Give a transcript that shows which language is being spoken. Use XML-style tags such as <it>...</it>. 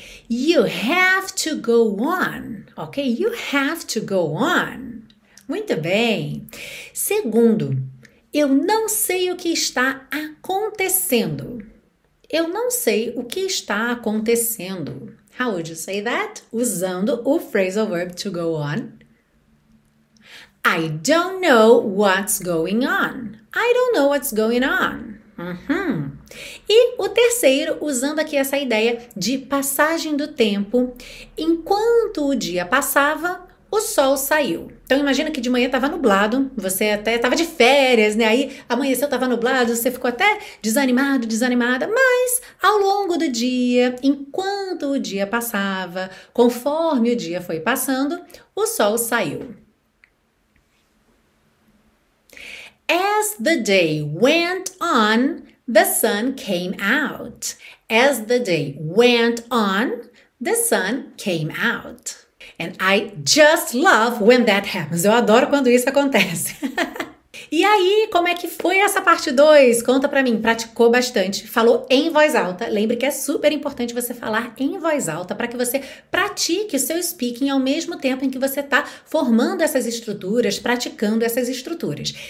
<en>You have to go on, ok? You have to go on.</en> <pt>Muito bem. Segundo, eu não sei o que está acontecendo. Eu não sei o que está acontecendo.</pt> <en>How would you say that?</en> <pt>Usando o phrasal verb to go on.</pt> <en>I don't know what's going on. I don't know what's going on. Uhum.</en> <pt>E o terceiro, usando aqui essa ideia de passagem do tempo. Enquanto o dia passava, o sol saiu. Então, imagina que de manhã estava nublado, você até estava de férias, né? Aí amanheceu, estava nublado, você ficou até desanimado, desanimada. Mas, ao longo do dia, enquanto o dia passava, conforme o dia foi passando, o sol saiu.</pt> <en>As the day went on, the sun came out. As the day went on, the sun came out. And I just love when that happens.</en> <pt>Eu adoro quando isso acontece. E aí, como é que foi essa parte 2? Conta pra mim. Praticou bastante? Falou em voz alta? Lembre que é super importante você falar em voz alta para que você pratique o seu speaking ao mesmo tempo em que você está formando essas estruturas, praticando essas estruturas.</pt>